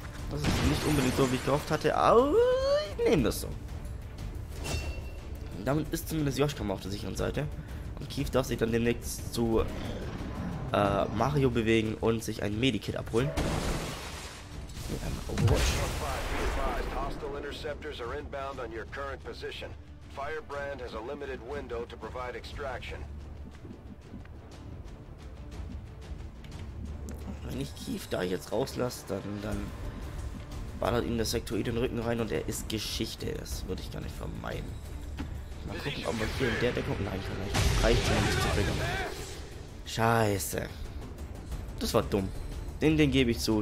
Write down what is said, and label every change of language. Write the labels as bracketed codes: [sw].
[de] Das ist nicht unbedingt so, wie ich gehofft hatte, aber ich nehme das so. Damit ist zumindest Joschka mal auf der sicheren Seite. Und Keith darf sich dann demnächst zu Mario bewegen und sich ein Medikit abholen. Mit einem Overwatch. [en] Hostile Interceptors are inbound on your current position. Firebrand has a limited window to provide extraction. [de] Wenn ich Keith da jetzt rauslasse, dann ballert ihm der Sektor in den Rücken rein und er ist Geschichte. Das würde ich gar nicht vermeiden. Mal gucken, ob man hier in der Deckung rein kann. Reicht schon nicht zu triggern. Scheiße. Das war dumm. Den gebe ich zu.